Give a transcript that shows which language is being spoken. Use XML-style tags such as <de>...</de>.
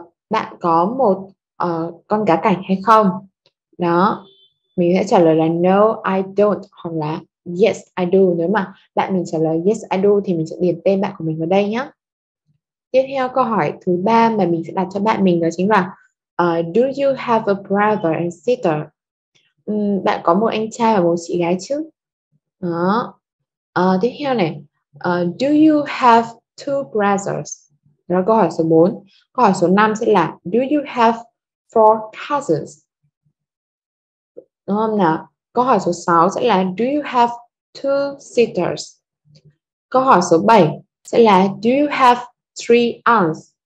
<vi>Bạn có một con cá cảnh hay không? Đó, mình sẽ trả lời là</vi> <en>no I don't</en> <vi>hoặc là</vi> <en>yes I do.</en> <vi>Nếu mà bạn mình trả lời</vi> <en>yes I do</en> <vi>thì mình sẽ điền tên bạn của mình vào đây nhé. Tiếp theo câu hỏi thứ ba mà mình sẽ đặt cho bạn mình đó chính là</vi> <en>do you have a brother and sister?</en> <vi>Bạn có một anh trai và một chị gái chứ? Đó. Tiếp theo này,</vi> <en>do you have two brothers?</en> <vi>Đó là câu hỏi số 4. Câu hỏi số 5 sẽ là</vi> <en>do you have four cousins?</en> <vi>Đúng không nào? Câu hỏi số 6 sẽ là</vi> <en>do you have two sisters?</en> <vi>Câu hỏi số 7 sẽ là</vi> <en>do you have three aunts?</en>